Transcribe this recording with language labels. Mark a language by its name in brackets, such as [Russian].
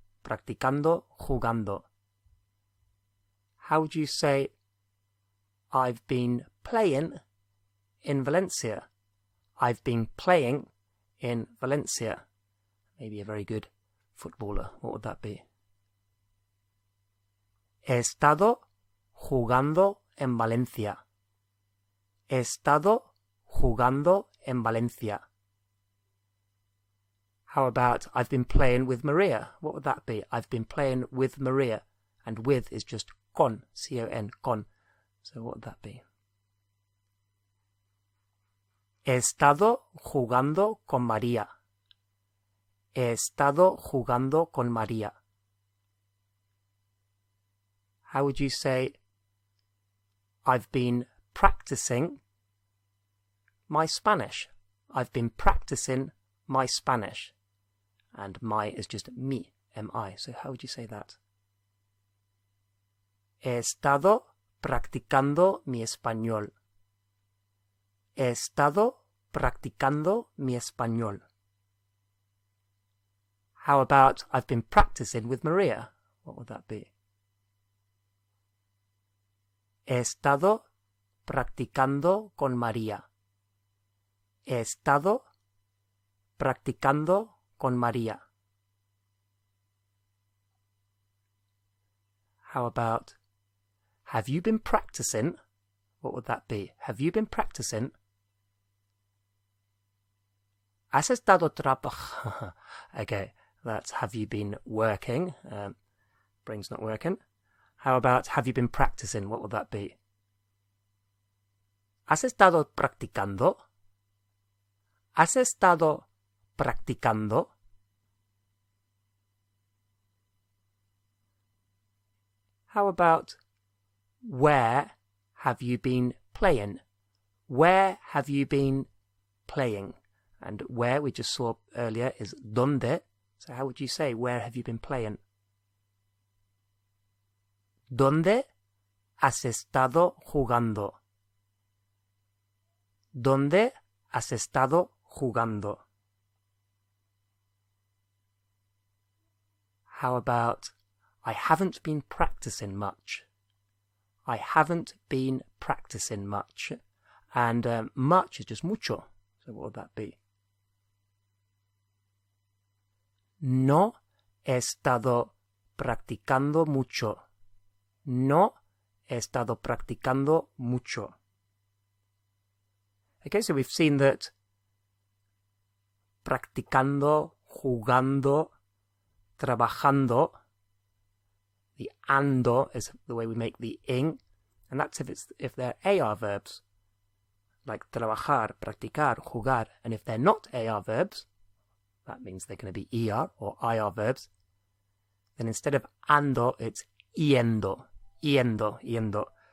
[English] Practicando, jugando. How would you say, I've been playing in Valencia? I've been playing in Valencia. Maybe a very good footballer. What would that be? [Spanish] He estado jugando en Valencia. He estado jugando en Valencia. [English] How about I've been playing with Maria? What would that be? I've been playing with Maria. And with is just con, C-O-N, con. So what would that be? [Spanish] He estado jugando con María. He estado jugando con María. [English] How would you say, I've been practicing my Spanish? I've been practicing my Spanish. And my is just me, M-I. So how would you say that? [Spanish] He estado practicando mi español. He estado practicando mi español. [English] How about, I've been practicing with Maria? What would that be? [Spanish] He estado practicando con María. He estado practicando con María. [English] How about, have you been practicing? What would that be? Have you been practicing? [Spanish] ¿Has estado trabajando? Okay, [English] That's have you been working? Brain's not working. How about have you been practicing? What would that be? [Spanish] ¿Has estado practicando? ¿Has estado practicando? [English] How about where have you been playing? Where have you been playing? And where we just saw earlier is donde. So how would you say where have you been playing? [Spanish] ¿Dónde has estado jugando? ¿Dónde has estado jugando? [English] How about I haven't been practicing much? I haven't been practicing much. And much is just mucho. So what would that be? [Spanish] No he estado practicando mucho. No he estado practicando mucho. [English] Okay, so we've seen that practicando, jugando, trabajando, the ando is the way we make the ing, and that's if they're AR verbs, like trabajar, practicar, jugar, and if they're not AR verbs, that means they're going to be ER or IR verbs, then instead of ando, it's yendo, yendo, yendo.